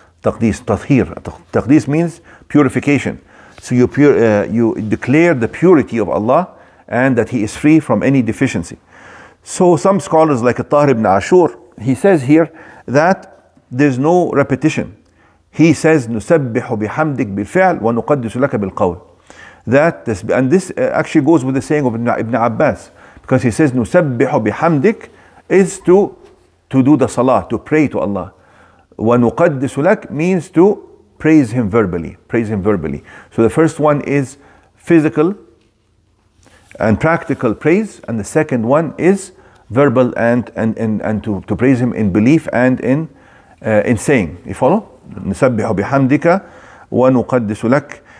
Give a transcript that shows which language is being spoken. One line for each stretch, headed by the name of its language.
Arabic: تَقْدِيس, تَطْهِير.
English: تَقْدِيس means purification. So you declare the purity of Allah and that He is free from any deficiency. So some scholars like Tahir ibn Ashur, he says here that there's no repetition. He says
Arabic: نُسَبِّحُ بِحَمْدِكَ بِالْفِعْلِ وَنُقَدِّسُ لَكَ بِالْقَوْلِ.
English: That this, and this actually goes with the saying of Ibn Abbas, because he says
Arabic: نُسَبِّحُ بِحَمْدِكَ
English: is to do the salah, to pray to Allah.
Arabic: وَنُقَدِّسُ لَكَ
English: means to praise Him verbally, praise Him verbally. So the first one is physical and practical praise, and the second one is verbal and to praise Him in belief and in saying. You follow?
Arabic: نُسَبِّحُ بِحَمْدِكَ وَنُقَدِّسُ لَكَ.